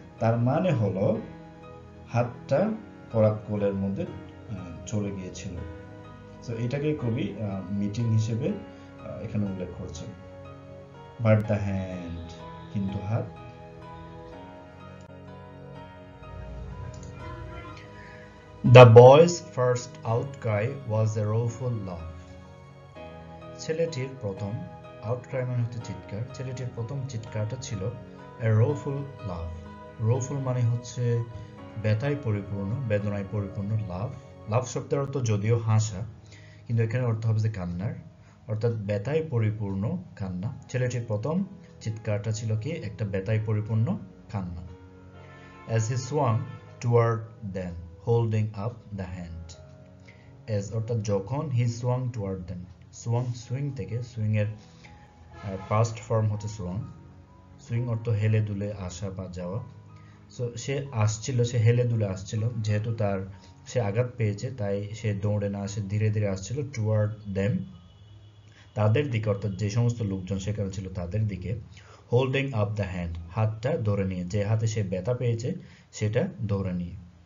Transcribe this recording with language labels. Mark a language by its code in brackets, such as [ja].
[bn] তার মানে হলো হাতটা করাত কোলের মধ্যে চলে গিয়েছিল। তো এটাকে কবি মিটিং হিসেবে এখানে উল্লেখ করছেন, [en] but the hand, [bn] কিন্তু হাত। [en] The boy's first outcry was a rueful laugh. [bn] ছেলেটির প্রথম আউটক্রাই মানে হচ্ছে চিৎকার। ছেলেটির প্রথম চিৎকারটা ছিল [en] a rueful laugh. [bn] Rueful মানে হচ্ছে ব্যথায় পরিপূর্ণ, বেদনায় পরিপূর্ণ। লাভ লাভ শব্দের অর্থ যদিও হাসা, কিন্তু এখানে অর্থ হবে যে কান্নার, অর্থাৎ ব্যথায় পরিপূর্ণ কান্না। ছেলেটির প্রথম চিৎকারটা ছিল কি, একটা ব্যথায় পরিপূর্ণ কান্না। [en] As he swung toward them, holding up the hand. As [bn] অর্থাৎ যখন [en] he swung toward them, swung swing [bn] থেকে, [en] swing [bn] এর [en] past form [bn] হচ্ছে [en] swung. [bn] Swing অর্থ হেলে দুলে আসা বা যাওয়া। সো সে আসছিল, সে হেলে দুলে আসছিল, যেহেতু তার সে আঘাত পেয়েছে তাই সে দৌড়ে না, সে ধীরে ধীরে আসছিল [en] toward them, [bn] তাদের দিকে, অর্থাৎ যে সমস্ত লোকজন সেখানে ছিল তাদের দিকে। [en] holding up the hand, [bn] হাতটা ধরে নিয়ে, যে হাতে সে ব্যথা পেয়েছে সেটা ধরে নিয়ে।